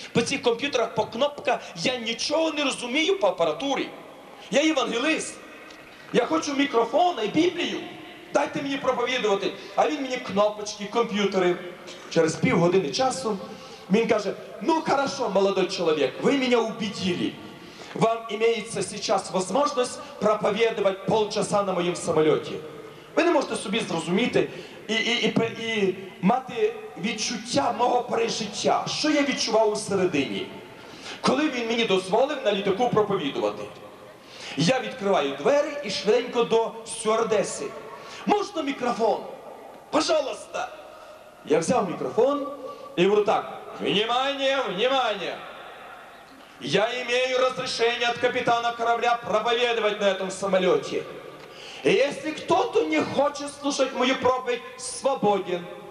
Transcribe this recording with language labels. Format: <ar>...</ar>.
<uk>По цих комп'ютерах, по кнопках, я нічого не розумію по апаратурі. Я євангелист. Я хочу мікрофон і Біблію. Дайте мені проповідувати. А він мені кнопочки, комп'ютери. Через півгодини часу він каже, ну, хорошо, молодой чоловік, ви мене убедили.</uk> <ru>Вам имеется сейчас возможность проповедовать полчаса на моєму самоліті.</ru> <uk>Ви не можете собі зрозуміти і мати відчуття мого пережиття, що я відчував усередині, коли він мені дозволив на літаку проповідувати. Я відкриваю двері і швиденько до стюардеси. Можна мікрофон? Пожалуйста. Я взяв мікрофон і говорю так.</uk> <ru>Внимание, внимание. Я имею разрешение от капитана корабля проповедовать на этом самолете. И если кто-то не хочет слушать мою проповедь, свободен.</ru>